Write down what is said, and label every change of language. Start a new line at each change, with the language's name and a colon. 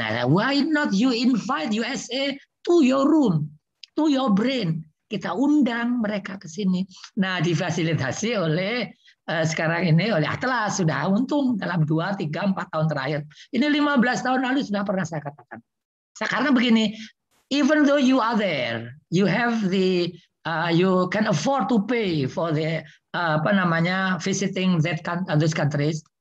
English: Nah, why not you invite USA to your room, to your brain.
Indonesian: Kita undang mereka ke sini. Nah, difasilitasi oleh sekarang ini oleh Atlas sudah untung dalam 2, 3, 4 tahun terakhir. Ini 15 tahun lalu sudah pernah saya katakan. Sekarang begini,
English: even though you are there, you have the you can afford to pay for the visiting those countries.